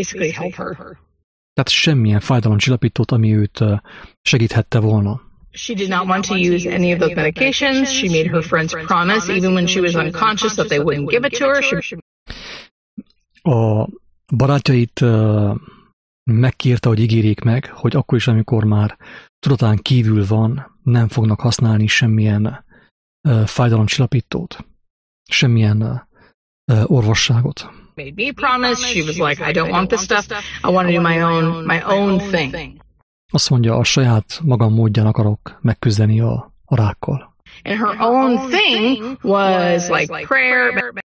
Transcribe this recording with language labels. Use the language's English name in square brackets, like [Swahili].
[Hungarian] Tehát semmilyen fájdalom csillapítót, ami őt segíthette volna. [English] She did not want to use any of those medications. She made her friends promise, even when she was unconscious, that they wouldn't give it to her. [Hungarian] A barátjait megkérte, hogy ígérjék meg, hogy akkor is, amikor már tudatán kívül van, nem fognak használni semmilyen fájdalomcsillapítót, semmilyen orvosságot. [English] Made me promise. She was like, I don't want this stuff. I want to do my own thing. [Hungarian] Azt mondja, a saját magam módján akarok megküzdeni a rákkal. [English] And her own thing was like prayer.